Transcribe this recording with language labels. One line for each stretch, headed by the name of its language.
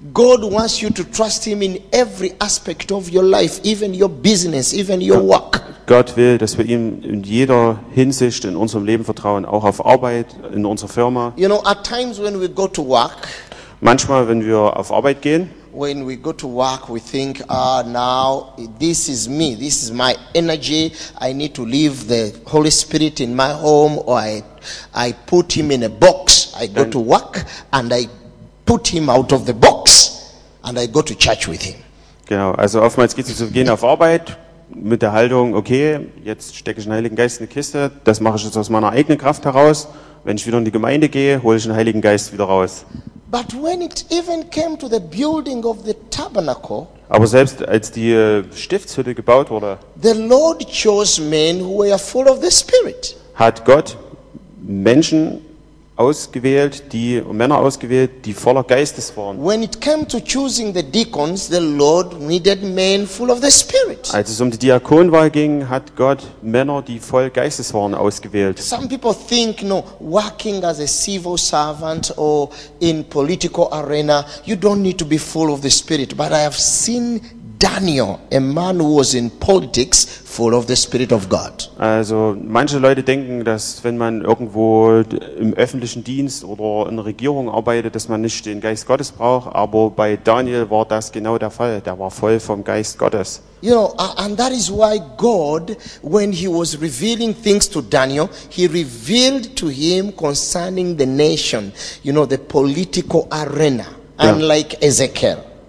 English: God wants you to trust him in every aspect of your life, even your business, even your work.
German: Gott will, dass wir ihm in jeder Hinsicht in unserem Leben vertrauen, auch auf Arbeit, in unserer Firma.
English: You know, at times when we go to work,
German: manchmal, wenn wir auf Arbeit gehen,
English: when we go to work, we think, now this is me, this is my energy, I need to leave the Holy Spirit in my home, or I put him in a box, I go to work, and I put him out of the box, and I go to church with him.
German: Genau, also oftmals geht es so, wir gehen auf Arbeit, mit der Haltung, okay, jetzt stecke ich den Heiligen Geist in eine Kiste, das mache ich jetzt aus meiner eigenen Kraft heraus, wenn ich wieder in die Gemeinde gehe, hole ich den Heiligen Geist wieder raus.
English: But when it even came to the building of the tabernacle,
German: aber selbst als die Stiftshütte gebaut wurde,
English: the Lord chose men who were full of the Spirit.
German: Hat Gott Menschen ausgewählt, die Männer ausgewählt, die voller Geistes waren.
English: When it came to choosing the deacons, the Lord needed men full of the Spirit.
German: Als es um die Diakonwahl ging, hat Gott Männer, die voll Geistes waren, ausgewählt.
English: Some people think, no, working as a civil servant or in political arena, you don't need to be full of the Spirit. But I have seen Daniel, a man who was in politics, full of the Spirit of God.
German: Also manche Leute denken, dass wenn man irgendwo im öffentlichen Dienst oder in der Regierung arbeitet, dass man nicht den Geist Gottes braucht, aber bei Daniel war das genau der Fall. Der war voll vom Geist Gottes.
English: You know, and that is why God, when he was revealing things to Daniel, he revealed to him concerning the nation, you know, the political arena, unlike Ezekiel.